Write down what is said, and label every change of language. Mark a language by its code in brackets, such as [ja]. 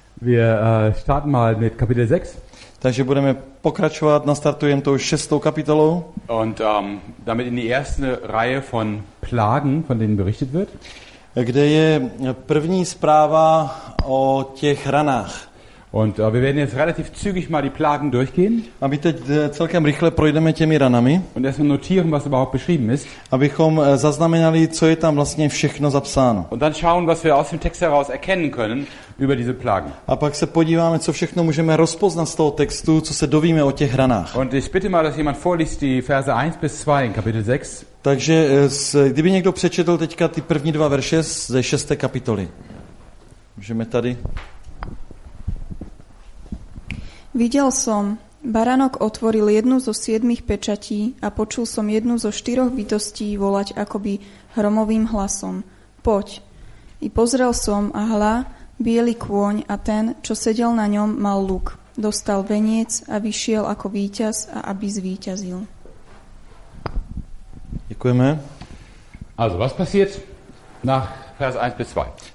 [de] Wir starten mal mit Kapitel 6. [cs] Takže budeme pokračovat, nastartujeme tou šestou kapitolou. [de] Und damit in die erste Reihe von Plagen, von denen berichtet wird. [cs] Kde je první zpráva o těch ranách. [de] Und wir werden jetzt relativ zügig mal die Plagen durchgehen. [cs] A my teď celkem rychle projdeme těmi ranami. [de] Und erstmal notieren, was überhaupt beschrieben ist. [cs] Abychom zaznamenali, co je tam vlastně všechno zapsáno. [de] Und dann schauen, was wir aus dem Text heraus erkennen können über diese Plagen. [cs] A pak se podíváme, co všechno můžeme rozpoznat z toho textu, co se dovíme o těch ranách. [de] Und ich bitte mal, dass jemand vorliest die Verse 1 bis 2 in Kapitel 6. [cs] Takže kdyby někdo přečetl teďka ty první dva verše ze šesté kapitoly. Můžeme tady. [sk] Videl som, baranok otvoril jednu zo siedmých pečatí a počul som jednu zo štyroch bytostí volať akoby hromovým hlasom. Poď. I pozrel som a hľa, biely kôň a ten, čo sedel na ňom, mal luk. Dostal veniec a vyšiel ako víťaz a aby zvíťazil. Ďakujeme. [de] Also, was passiert nach Vers 1 bis 2?